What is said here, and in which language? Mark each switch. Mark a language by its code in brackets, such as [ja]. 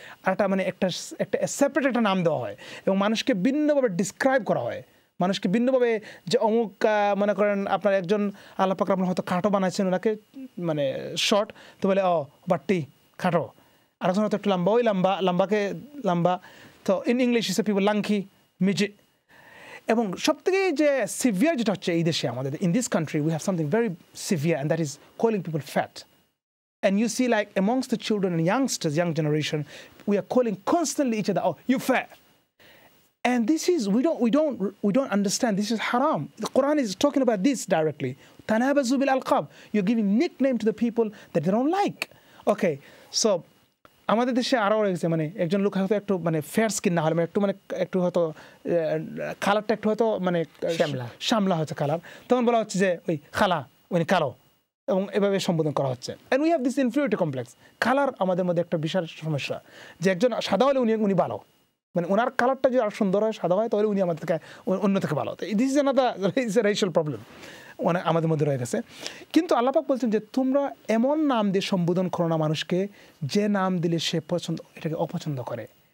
[bn] একটা মানে একটা একটা সেপারেট একটা নাম দেওয়া হয় এবং মানুষকে ভিন্নভাবে ডিসক্রাইব করা হয় মানুষকে ভিন্নভাবে যে অমুক মনে করেন আপনার একজন আল্লাহ পাক আপনার হয়তো খাটো বানাইছেন ওনাকে মানে শর্ট তো বলে ও বাট্টি খাটো আরেকজন হয়তো একটু লম্বা ওই লম্বা লম্বাকে লম্বা তো ইন ইংলিশ হিসেবে পিপল লাংখি মিজে এবং সব থেকে যে সিভিয়ার যেটা হচ্ছে এই দেশে আমাদের [en] In this country we have something very severe and that is calling people fat And you see, like, amongst the children and youngsters, young generation, we are calling constantly each other, oh, you fat. And this is, we don't understand. This is haram. The Quran is talking about this directly. [ar] Tanabazu bil alqab. [en] You're giving nickname to the people that they don't like. [bn] Okay, so, আমাদের দেশে আরও রয়েছে মানে একজন লোক হয়তো একটু মানে ফেয়ার স্কিন না হলে মানে একটু মানে একটু হয়তো কালারটা একটু হয়তো মানে শ্যামলা হয়েছে কালার তখন বলা হচ্ছে যে ওই খালা উনি কালো এবং এভাবে সম্বোধন করা হচ্ছে [en] and we have this inferiority complex [bn] colour আমাদের মধ্যে একটা বিশাল সমস্যা যে একজন সাদা হলে উনি ভালো মানে ওনার কালারটা যদি আর সুন্দর হয় সাদা হয় তাহলে উনি আমাদের থেকে অন্য থেকে ভালো [en] this is another is a racial problem [bn] মানে আমাদের মধ্যে রয়ে গেছে কিন্তু আল্লাপাক বলছেন যে তোমরা এমন নাম দিয়ে সম্বোধন করো না মানুষকে যে নাম দিলে সে পছন্দ এটাকে অপছন্দ করে